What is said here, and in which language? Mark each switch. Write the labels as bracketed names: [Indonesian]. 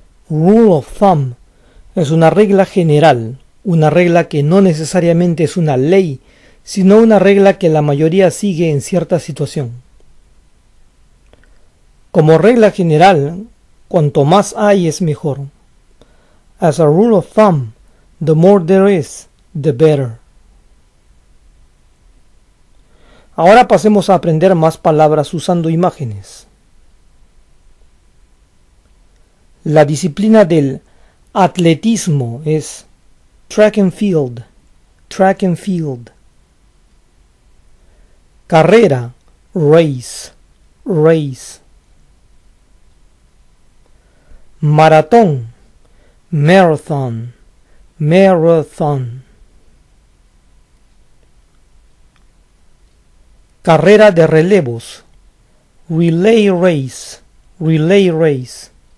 [Spanish] Rule of thumb es una regla general, una regla que no necesariamente es una ley, sino una regla que la mayoría sigue en cierta situación. Como regla general, cuanto más hay es mejor. [English] As a rule of thumb, the more there is, the better. [Spanish] Ahora pasemos a aprender más palabras usando imágenes. La disciplina del atletismo es [English] track and field, carrera, race, race, maratón, marathon, marathon, carrera de relevos, relay race, relay race.